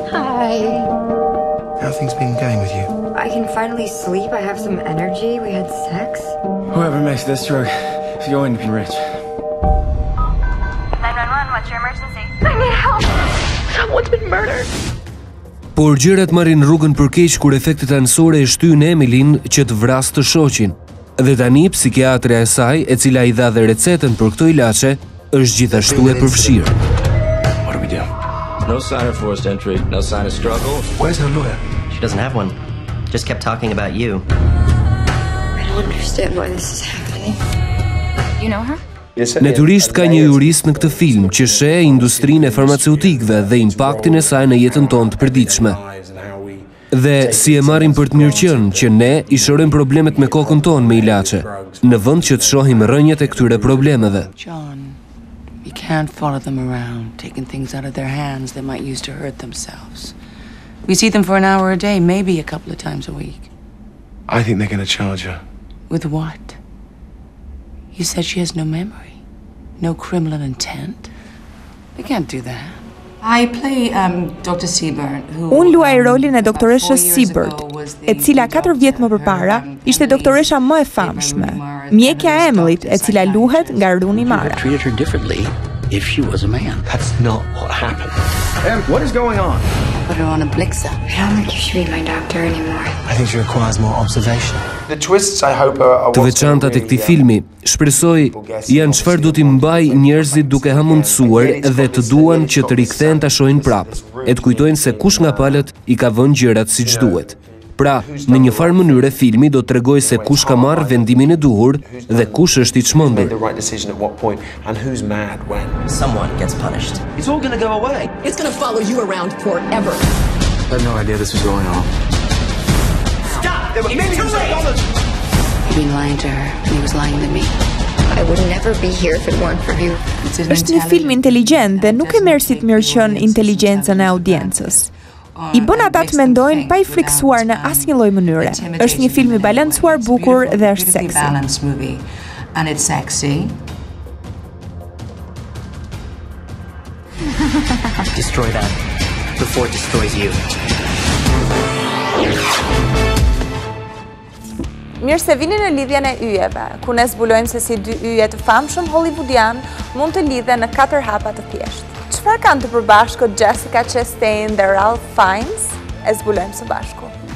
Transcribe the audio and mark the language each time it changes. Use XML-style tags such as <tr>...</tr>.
<en>Hi. How things been going with you? I can finally sleep. I have some energy. We had sex. Whoever makes this drug is going to be rich. 911, what's your emergency? I need help. Someone's been murdered.</en> <sq>Por gjërat marrin rrugën për keq kur efektet anësore e shtyn Emilyn që të vrasë të shoqin. Dhe tani psikiatria e saj, e cila I dha dhe recetën për këto ilaçe, është gjithashtu e përfshirë.</sq> <en>No sign of forced entry, no sign of struggle. Where's her lawyer? She doesn't have one. Just kept talking about you. I don't understand why this is happening. You know her?</en> <sq>Natyrisht ka një jurist në këtë film që sheh industrinë e farmaceutikëve dhe impaktin e saj në jetën tonë të përditshme. Dhe si e marrim për të mirë qënë që ne I shërojmë problemet me kokën tonë me ilaçe, në vend që të shohim rrënjët e këtyre problemeve.</sq> <en>You can't follow them around, taking things out of their hands they might use to hurt themselves. We see them for an hour a day, maybe a couple of times a week. I think they're gonna charge her. With what? You said she has no memory, no criminal intent. They can't do that. I play Dr. Seabird, who</en> <sq>Un luaj rolin e doktoreshës Seabird, e cila 4 vjet më përpara ishte doktoresha më e famshme, mjekja e Emilyt, e cila luhet nga Rooney Mara.</sq> <en>Treat her differently if she was a man. That's not what happened. Em, what is going on? Put her on a blixer. I don't think you should be my doctor anymore. I think she requires more observation. The twists I hope are what's</en> <sq>Të veçantat e këtij filmi, shpresoj janë çfarë do t'i mbajë njerëzit duke hamundsuar dhe të duan që të rikthehen ta shohin prapë, e të kujtojnë se kush nga palët I ka vënë gjërat siç duhet. Pra, në një farë mënyrë filmi do t'rregojë se kush ka marrë vendimin e duhur dhe kush është I çmendur.</sq> <en>Someone gets punished. It's all gonna go away. It's gonna follow you around forever. I had no idea this was going on. He's been lying to her. He was lying to me. I would never be here if it weren't for you.</en> <sq>Është një film inteligjent dhe nuk e merr si të mirë qen inteligjencën e audiencës. I bën ata të mendojnë pa I friksuar në asnjë lloj mënyre. Është një film I balancuar, bukur dhe është</sq> <en>sexy. Destroy that before it destroys you.</en> <sq>Mirë se vini në lidhjen e yjeve, ku ne zbulojmë se si dy yje të famshëm hollywoodian mund të lidhen në katër hapa të thjeshtë. Çfarë kanë të përbashkët Jessica Chastain dhe Ralph Fiennes? E zbulojmë së bashku.</sq>